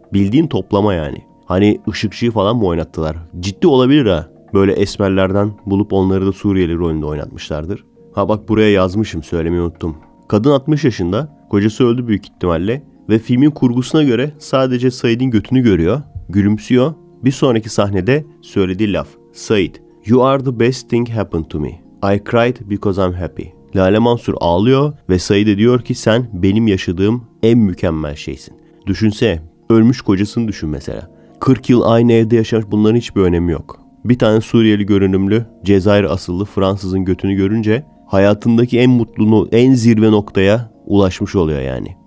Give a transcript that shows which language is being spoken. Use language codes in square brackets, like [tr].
[tr] Bildiğin toplama yani. Hani Işıkçı'yı falan mı oynattılar? Ciddi olabilir ha. Böyle esmerlerden bulup onları da Suriyeli rolünde oynatmışlardır. Ha bak, buraya yazmışım, söylemeyi unuttum. Kadın 60 yaşında. Kocası öldü büyük ihtimalle. Ve filmin kurgusuna göre sadece Said'in götünü görüyor. Gülümsüyor. Bir sonraki sahnede söylediği laf. [en] Said, you are the best thing happened to me. I cried because I'm happy. [tr] Lale Mansur ağlıyor ve Said'e diyor ki sen benim yaşadığım en mükemmel şeysin. Düşünsene, ölmüş kocasını düşün mesela. 40 yıl aynı evde yaşamış, bunların hiçbir önemi yok. Bir tane Suriyeli görünümlü, Cezayir asıllı Fransız'ın götünü görünce hayatındaki en mutlu, en zirve noktaya ulaşmış oluyor yani.